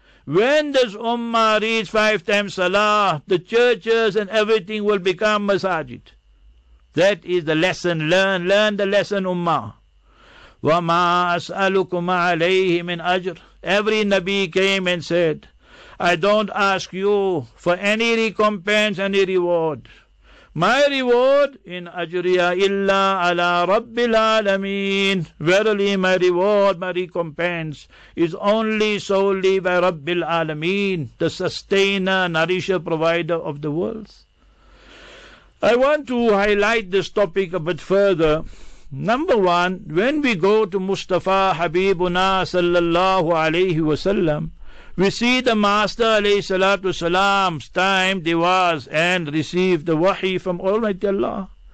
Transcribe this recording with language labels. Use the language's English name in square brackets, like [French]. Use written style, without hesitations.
[English] When this ummah reads 5 times salah, the churches and everything will become masajid. That is the lesson. Learn the lesson, Ummah. [Arabic] وَمَا أَسْأَلُكُمْ عَلَيْهِ مِنْ أَجْرٍ. [English] Every Nabi came and said, I don't ask you for any recompense, any reward. My reward in [Arabic] أَجْرِيَ إِلَّا عَلَىٰ رَبِّ الْعَالَمِينَ. [English] Verily my reward, my recompense is only solely by رَبِّ الْعَالَمِينَ, the sustainer, nourisher, provider of the world. I want to highlight this topic a bit further. Number one, when we go to Mustafa Habibuna sallallahu alayhi wasallam, we see the Master alayhi salatu salam's time he was and received the wahi from Almighty Allah.